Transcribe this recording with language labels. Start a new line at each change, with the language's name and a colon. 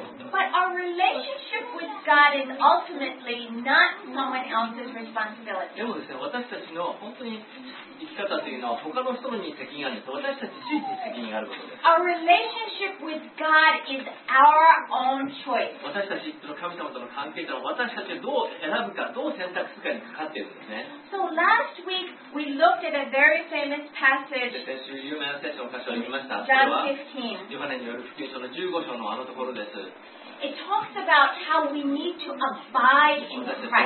English: But our relationship with God is ultimately not someone else.
Japanese: でもですね、私たちの本当に生き方というのは他の人に責任があるんです。私たち自身に責任があることです。
English: Our relationship with God is our own choice.
Japanese: 私たちの神様との関係というのは私たちがどう選ぶか、どう選択するかにかかっているんですね。
English: So last week we looked at a very famous passage.
Japanese: 先週有名な聖書の箇所を見ました。ヨハネによる福音書の15章のあのところです。
English: It talks about how we need to abide in Christ.